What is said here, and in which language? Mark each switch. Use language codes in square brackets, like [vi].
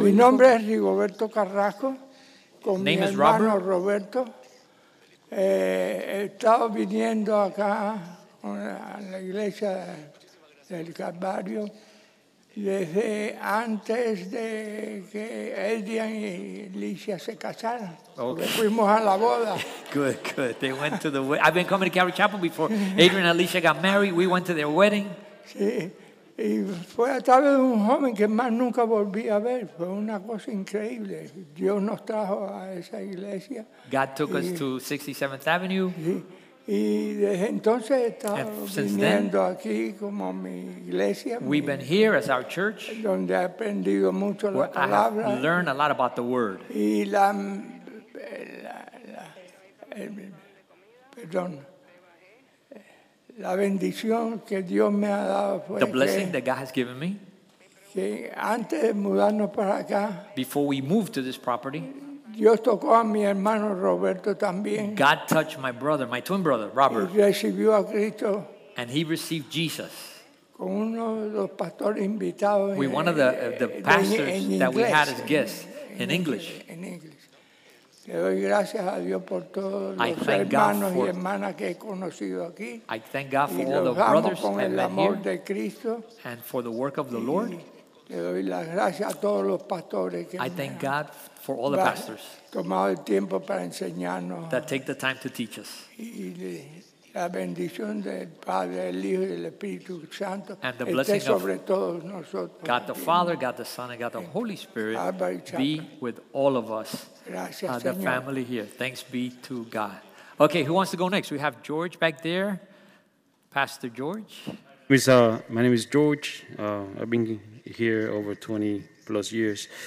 [es] Mi nombre es Rigoberto Carrasco. Con mi hermano Roberto. He estado viniendo acá a la iglesia del Calvario desde antes de que Adrian y Alicia se casaran. [en] Okay. [es] Fuimos a la boda. [en] Good. They went to the wedding. I've been coming to Calvary Chapel before Adrian and Alicia got married. We went to their wedding. [es] Sí. Y fue a través de un joven que más nunca volví a ver. Fue una cosa increíble. Dios nos trajo a esa iglesia. [en] God took us to 67th Avenue. [es] Sí. Y desde entonces he estado viniendo aquí como mi iglesia. [en] We've been here as our church. [es] Donde he aprendido mucho la palabra. [en] I have learned a lot about the word. [es] Y la bendición que Dios me ha dado fue [en] the blessing that God has given me. [es] Que antes de mudarnos para acá. [en] Before we moved to this property. [es] Dios tocó a mi hermano Roberto también. [en] God touched my brother, my twin brother, Robert. [es] Y recibió a Cristo. [en] And he received Jesus. [es] Con uno de los pastores invitados. [en] We one of the pastors that we had as guests in English. [es] En inglés. Le doy gracias a Dios por todos los hermanos y hermanas que he conocido aquí. [en] I thank God for all the brothers and [es] el amor de Cristo. [en] And for the work of the Lord. [es] Le doy las gracias a todos los pastores que [en] I thank God for all the pastors [es] tomado el tiempo para enseñarnos [en] that take the time to teach us. [es] Y la bendición del Padre, el Hijo y el Espíritu Santo [en] and the blessing of God the Father, God the Son, and God the Holy Spirit be with all of us, the family here. Thanks be to God. Okay, who wants to go next? We have George back there. Pastor George. My name is George. I've been here over 20 plus years.